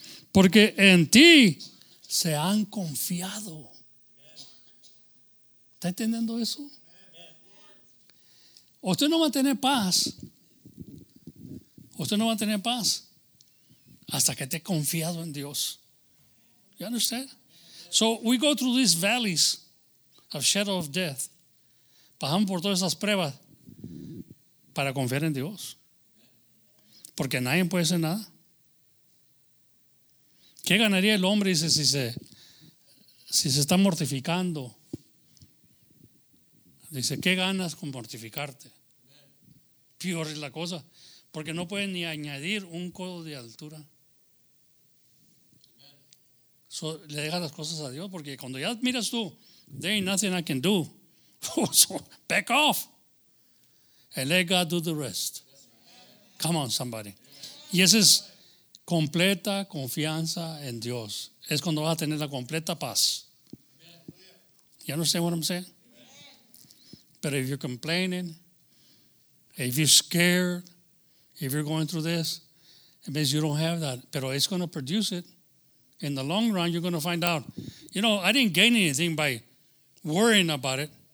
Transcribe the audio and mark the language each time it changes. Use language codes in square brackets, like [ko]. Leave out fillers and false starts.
[es] Porque en ti se han confiado. ¿Está entendiendo eso? Usted no va a tener paz. Usted no va a tener paz hasta que esté confiado en Dios. [en] You understand? So we go through these valleys of shadow of death. [es] Pasamos por todas esas pruebas para confiar en Dios. Porque nadie puede hacer nada. ¿Qué ganaría el hombre, dice, si se está mortificando? Dice, ¿qué ganas con mortificarte? Peor es la cosa, porque no puede ni añadir un codo de altura. So, le deja las cosas a Dios, porque cuando ya miras tú, [en] there ain't nothing I can do. So, back off. And let God do the rest. Come on, somebody. [es] Y ese es completa confianza en Dios. Es cuando vas a tener la completa paz. [en] You understand what I'm saying? Amen. But if you're complaining, if you're scared, if you're going through this, it means you don't have that. [es] Pero [en] it's going to produce it. In the long run, you're going to find out, you know, I didn't gain anything by worrying about it.